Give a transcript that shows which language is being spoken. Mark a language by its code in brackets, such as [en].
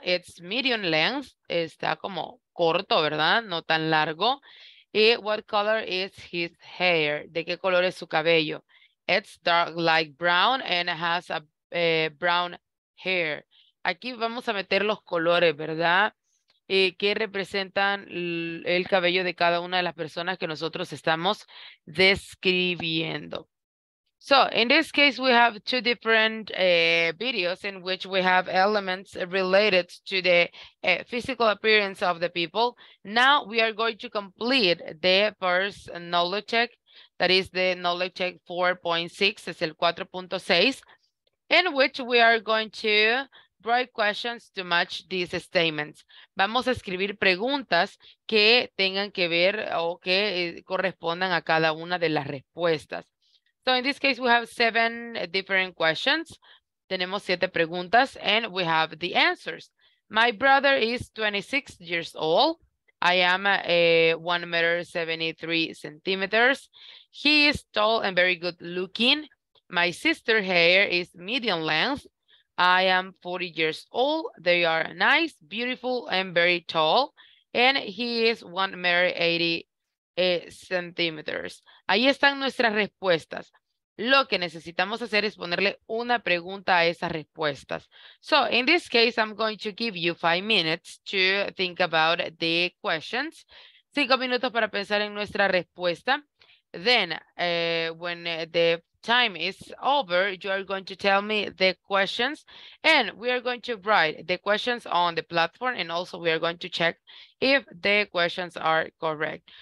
[en] It's medium length. [es] Está como corto, ¿verdad? No tan largo. ¿Y [en] what color is his hair? [es] ¿De qué color es su cabello? [en] It's dark like brown and has a brown hair. [es] Aquí vamos a meter los colores, ¿verdad? ¿Qué representan el cabello de cada una de las personas que nosotros estamos describiendo? [en] So, in this case, we have two different videos in which we have elements related to the physical appearance of the people. Now, we are going to complete the first knowledge check, that is the knowledge check 4.6, [es] es el 4.6, [en] in which we are going to write questions to match these statements. [es] Vamos a escribir preguntas que tengan que ver o que correspondan a cada una de las respuestas. [en] So in this case, we have 7 different questions. [es] Tenemos 7 preguntas [en] and we have the answers. My brother is 26 years old. I am 1.73 meters. He is tall and very good looking. My sister's hair is medium length. I am 40 years old. They are nice, beautiful, and very tall. And he is 1.80 meters. [es] Ahí están nuestras respuestas. Lo que necesitamos hacer es ponerle una pregunta a esas respuestas. [en] So, in this case, I'm going to give you 5 minutes to think about the questions. [es] 5 minutos para pensar en nuestra respuesta. [en] Then, when the time is over, you are going to tell me the questions. And we are going to write the questions on the platform. And also, we are going to check if the questions are correct.